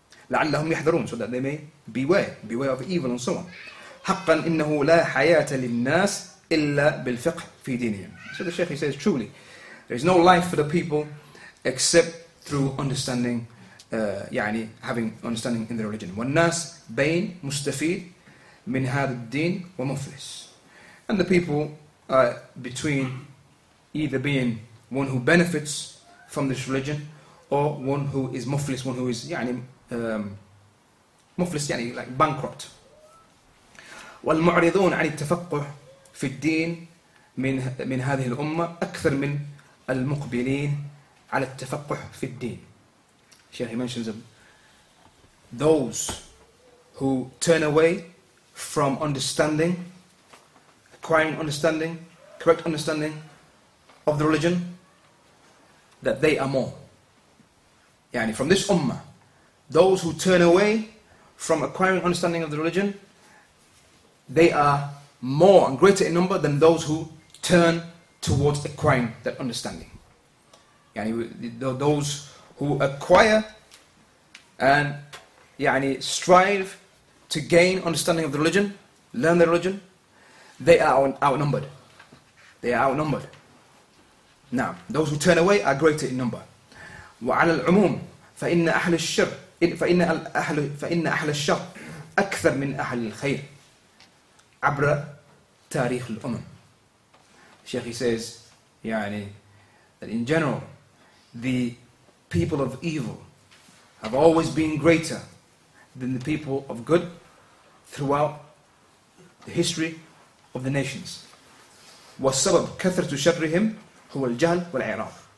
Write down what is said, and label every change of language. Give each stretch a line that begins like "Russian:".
Arabic: لَعَلَّهُمْ يَحْذَرُونَ,
English: so that they may beware of evil and so on.
Arabic: حَقًّا إِنَّهُ لَا حَيَاةَ لِلنَّاسِ إِلَّا بِالْفِقْهِ فِي دِينِهِمْ.
English: So the Shaykh, he says, truly, there is no life for the people except through understanding, يعني having understanding in the religion.
Arabic: والناس بين مستفيد من هذا الدين ومفلس.
English: And the people are between either being one who benefits from this religion or one who is مفلس, one who is يعني مفلس, يعني like bankrupt.
Arabic: والمعرضون عن التفقه في الدين من هذه الأمة أكثر من المقبلين على التفقه في الدين.
English: Sheikh, he mentions them. Those who turn away from understanding, acquiring understanding, correct understanding of the religion, that they are more. Yani from this ummah, those who turn away from acquiring understanding of the religion, they are more and greater in number than those who turn towards acquiring that understanding. يعني those who acquire and يعني strive to gain understanding of the religion, learn the religion, they are outnumbered. They are outnumbered. Now, those who turn away are greater in number.
Arabic: وعلى العموم فإن أهل الشر فإن أهل الشر أكثر من أهل الخير عبر تاريخ الأمم.
English: Sheikh, he says, يعني that in general, the people of evil have always been greater than the people of good throughout the history of the nations.
Arabic: وَالسَّبَبْ كَثْرَةُ شَرِّهِمْ هُوَ الْجَهْلُ وَالْعِرَافُ.